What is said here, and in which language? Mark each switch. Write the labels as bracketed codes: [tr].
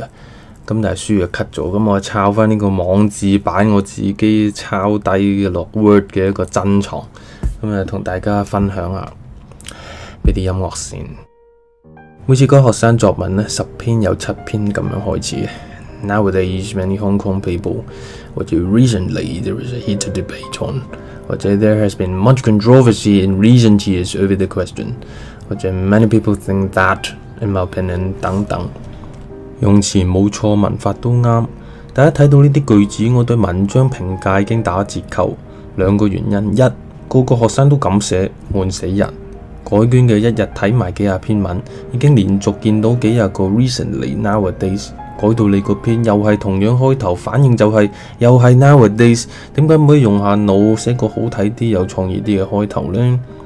[yue] 咁但係書又 cut 咗，咁我抄翻呢個網誌版我自己抄低嘅落 Word 嘅一個珍藏，咁啊同大家分享下。俾啲音乐先。每次讲学生作文咧，十篇有七篇咁样开始。 [en] Nowadays, many Hong Kong people, or recently, there is a heated debate on, or there has been much controversy in recent years over the question, or many people think that, in my opinion, 等等。 [yue] 用词冇错，文法都啱。第一睇到呢啲句子，我对文章评价已经打折扣。两个原因：一，个个学生都咁写，闷死人。改卷的一日睇埋几十篇文，已经连续见到几十个 [en] recently nowadays， [yue] 改到你嗰篇又系同样开头，反应就系、是、又系 nowadays， 点解唔可以用下脑写个好睇啲、有创意啲嘅开头呢？